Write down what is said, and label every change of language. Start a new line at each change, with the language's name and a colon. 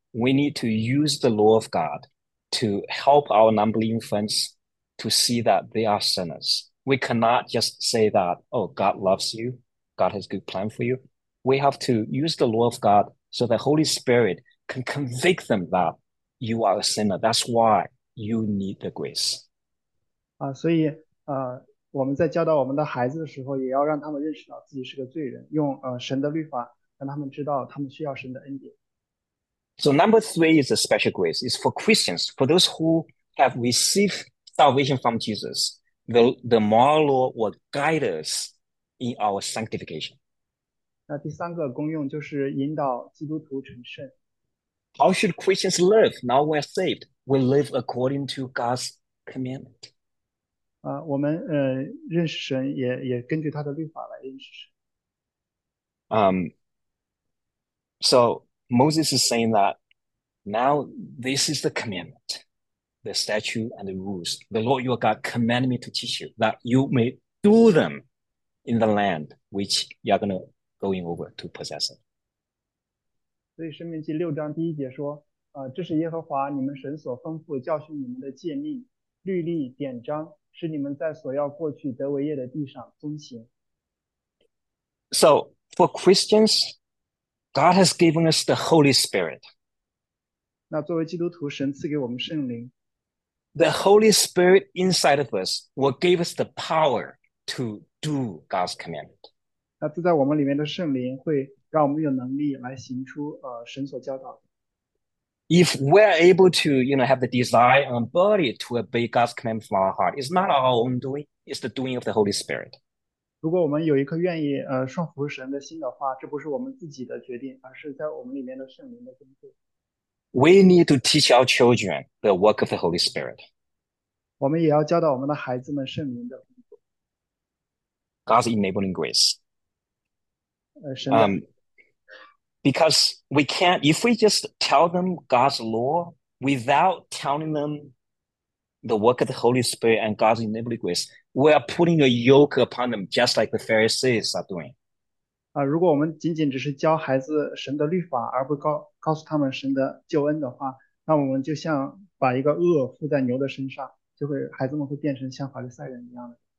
English: We need to use the law of God to help our non-believing friends to see that they are sinners. We cannot just say that, oh, God loves you, God has a good plan for you. We have to use the law of God so the Holy Spirit can convict them that you are a sinner. That's why you need the grace.
Chinese: 我们在教导我们的孩子的时候，也要让他们认识到自己是个罪人，用神的律法让他们知道他们需要神的恩典。
English: So number three is a special grace. It's for Christians, for those who have received salvation from Jesus. The moral law will guide us in our sanctification.
Chinese: 那第三个功用就是引导基督徒成圣。
English: How should Christians live now we're saved? We live according to God's commandment.
Chinese: 我们认识神也根据他的律法来认识神。
English: So Moses is saying that now this is the commandment, the statute and the rules. The Lord your God commanded me to teach you that you may do them in the land which you are going to go in over to possess it.
Chinese: 所以申命记六章第一节说，这是耶和华你们神所吩咐教训你们的诫命、律例、典章，是你们在所要过去得为业的地上遵行。
English: So for Christians, God has given us the Holy Spirit.
Chinese: 那作为基督徒，神赐给我们圣灵。
English: The Holy Spirit inside of us will give us the power to do God's commandment.
Chinese: 那住在我们里面的圣灵会让我们有能力来行出神所教导的。
English: If we're able to, you know, have the desire and ability to obey God's commandment from our heart, it's not our own doing, it's the doing of the Holy Spirit.
Chinese: 如果我们有一颗愿意顺服神的心的话，这不是我们自己的决定，而是在我们里面的圣灵的工作。
English: We need to teach our children the work of the Holy Spirit.
Chinese: 我们也要教导我们的孩子们圣灵的工作。
English: God's enabling grace.
Chinese: 神的。
English: Because we can't, if we just tell them God's law without telling them the work of the Holy Spirit and God's enabling grace, we are putting a yoke upon them just like the Pharisees are doing.
Chinese: 如果我们仅仅只是教孩子神的律法而不告诉他们神的救恩的话，那我们就像把一个轭附在牛的身上，就会孩子们会变成像法利赛人一样的。